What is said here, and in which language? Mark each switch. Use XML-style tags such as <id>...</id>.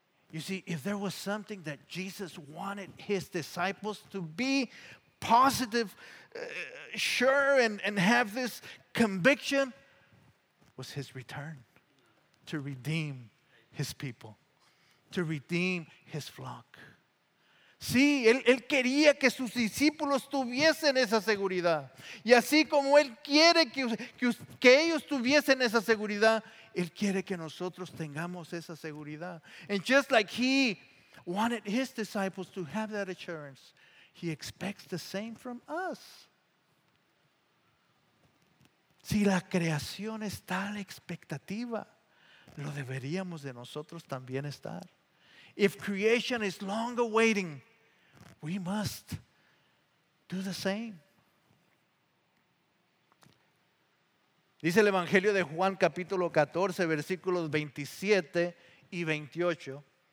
<en>You see, if there was something that Jesus wanted his disciples to be positive, sure, and have this conviction, was his return to redeem his people, to redeem his flock.</en> <es>Sí, él quería que sus discípulos tuviesen esa seguridad. Y así como él quiere que ellos tuviesen esa seguridad, él quiere que nosotros tengamos esa seguridad.</es> <en>And just like he wanted his disciples to have that assurance, he expects the same from us.</en> <es>Si la creación está a la expectativa, lo deberíamos de nosotros también estar.</es> <en>If creation is long awaiting, we must do the same.</en> <es>Dice el Evangelio de Juan capítulo 14, versículos 27 y 28.</es>